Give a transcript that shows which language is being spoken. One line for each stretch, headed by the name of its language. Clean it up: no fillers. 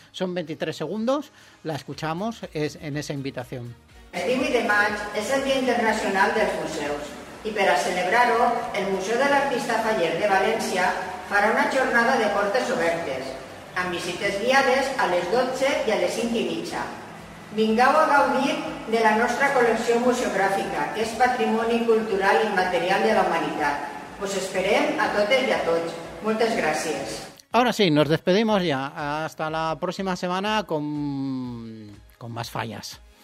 Spanish: Son 23 segundos, la escuchamos en esa invitación.
Catalan: El 18 de maig és el Dia Internacional dels Museus i per a celebrar-ho, el Museu de l'Artista Faller de València farà una jornada de portes obertes, amb visites guiades a les 12 i a les 5:30. Vingueu a gaudir de la nostra col·lecció museogràfica, que és patrimoni cultural i immaterial de la humanitat. Us esperem a totes i a tots. Moltes gràcies. Ara sí,
Spanish: nos despedimos ja. Hasta la próxima semana con más fallas.